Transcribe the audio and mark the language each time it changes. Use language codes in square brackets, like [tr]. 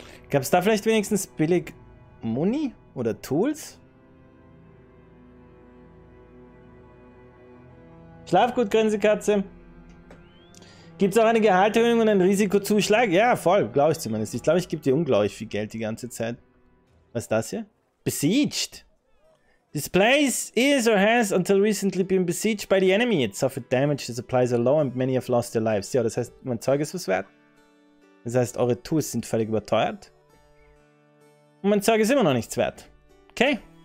[de] Gab es da vielleicht wenigstens billig Muni oder Tools? Schlaf gut, Grinsekatze. Gibt es auch eine Gehaltserhöhung und einen Risikozuschlag? Ja, voll, glaube ich zumindest. Ich glaube, ich gebe dir unglaublich viel Geld die ganze Zeit. Was ist das hier? Besieged! [en] This place is or has until recently been besieged by the enemy. It suffered damage, the supplies are low and many have lost their lives. [de] Ja, das heißt, mein Zeug ist was wert. Das heißt, eure Tools sind völlig überteuert. Und mein Zeug ist immer noch nichts wert. Okay.